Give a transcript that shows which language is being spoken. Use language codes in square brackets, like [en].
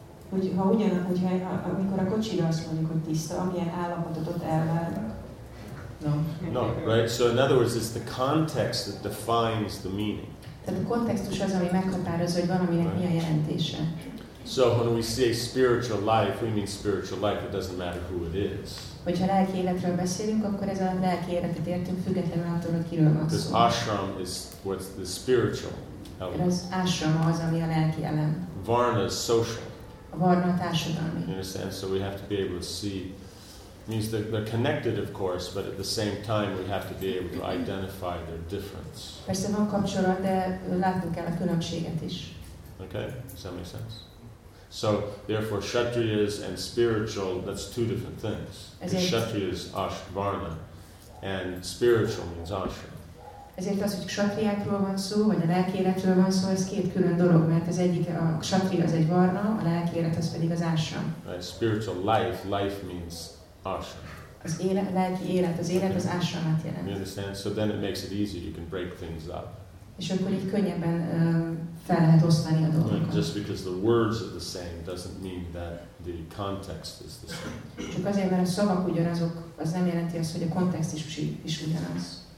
[hu] Hogyha ugyanaz, hogyha amikor a kocsira azt mondjuk, hogy tiszta, amilyen állapotot ott elvárnak? [en] No. No, right? So in other words, it's the context that defines the meaning. [hu] Tehát a kontextus az, ami meghatározza, hogy van, aminek mi a jelentése. [en] So when we say spiritual life, we mean spiritual life. It doesn't matter who it is. [hu] Hogyha lelki életről beszélünk, akkor ez a lelki életet értünk, függetlenül attól, hogy kiről van szó. [en] This ashram is what's the spiritual element. [hu] Az ashram az, ami a lelki elem. [en] Varna is social. [hu] A varna a társadalmi. [en] You understand? So we have to be able to see. It means that they're connected, of course, but at the same time we have to be able to identify their difference. [hu] Persze van kapcsolat, de látnunk kell a különbséget is. [en] Okay, does that make sense? So, therefore, kshatriyas and spiritual, that's two different things. Kshatriyas, ashvarna, and spiritual means ashram. [hu] Ezért az, hogy kshatriyákról van szó, vagy a lelki életről van szó, ez két külön dolog, mert az egyik, a kshatriya az egy varna, a lelki élet az pedig az ashram. [en] Right, spiritual life, life means ashram. [hu] Az élet, lelki élet, az élet az ashramát jelent. [en] You understand? So then it makes it easier, you can break things up. [hu] És akkor így könnyebben fel lehet osztani a dolgokat. [en] Just because the words are the same doesn't mean that the context is the same. [hu] Csak azért, mert a szavak ugyanazok, az nem jelenti azt, hogy a kontextus is ugyanaz.